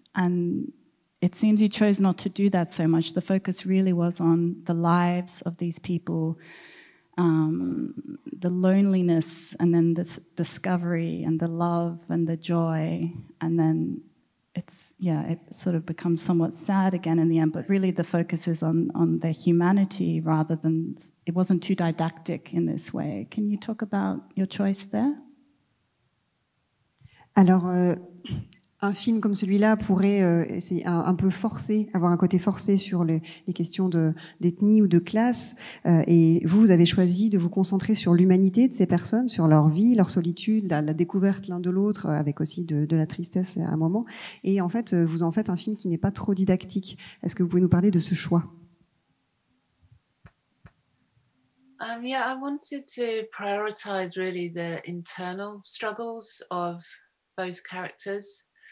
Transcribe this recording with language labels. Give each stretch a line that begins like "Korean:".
English: And it seems you chose not to do that so much. The focus really was on the lives of these people, the loneliness, and then this discovery and the love and the joy, and then it sort of becomes somewhat sad again in the end, but really the focus is on their humanity rather than, it wasn't too didactic in this way. Can you talk about your choice there?
French: Alors, un film comme celui-là pourrait essayer un peu forcer, avoir un côté forcé sur les questions d'ethnie ou de classe. Et vous avez choisi de vous concentrer sur l'humanité de ces personnes, sur leur vie, leur solitude, la découverte l'un de l'autre, avec aussi de la tristesse à un moment. Et en fait, vous en faites un film qui n'est pas trop didactique. Est-ce que vous pouvez nous parler de ce choix?
English: I wanted to prioritize really the internal struggles of both characters.